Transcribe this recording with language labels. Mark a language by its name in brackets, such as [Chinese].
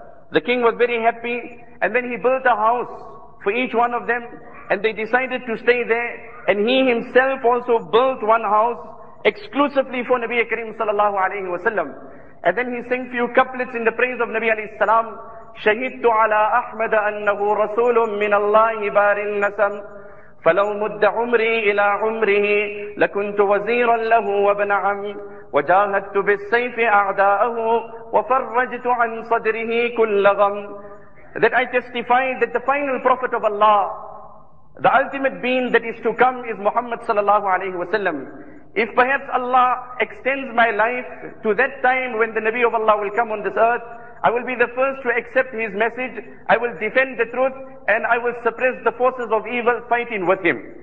[English] The king was very happy, and then he built a house for each one of them, and they decided to stay there, and he himself also built one house exclusively for Nabi Kareem sallallahu alayhi wasallam. And then he sang few couplets in the praise of Nabi alayhi salam. [Arabic] Shahidtu ala Ahmad annahu rasulun min Allahi barin nasam. فلو مد عمري إلى عمره لكنت وزيرا له وابن عم، وجاهدت بالسيف أعداءه وفرجت عن صدره كل غم. [English] That I testify that the final prophet of Allah, the ultimate being that is to come, is Muhammad sallallahu alayhi wa sallam. If perhaps Allah extends my life to that time when the Nabi of Allah will come on this earth, I will be the first to accept his message, I will defend the truth, and I will suppress the forces of evil fighting with him.